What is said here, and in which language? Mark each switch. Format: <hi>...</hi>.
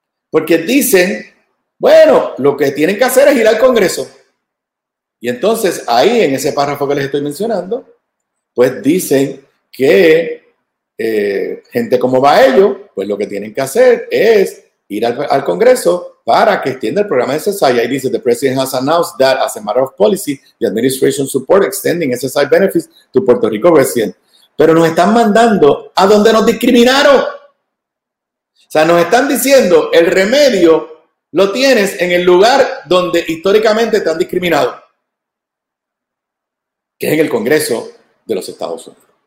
<es>Porque dicen, bueno, lo que tienen que hacer es ir al Congreso. Y entonces, ahí en ese párrafo que les estoy mencionando, pues dicen que gente como va a ellos, pues lo que tienen que hacer es ir al Congreso para que extienda el programa de SSI. Ahí dice,</es> <en>the president has announced that as a matter of policy, the administration support extending SSI benefits to Puerto Rico residents.</en> <es>Pero nos están mandando a donde nos discriminaron. O sea, nos están diciendo, el remedio lo tienes en el lugar donde históricamente te han discriminado, que es en el Congreso de los Estados Unidos.</es>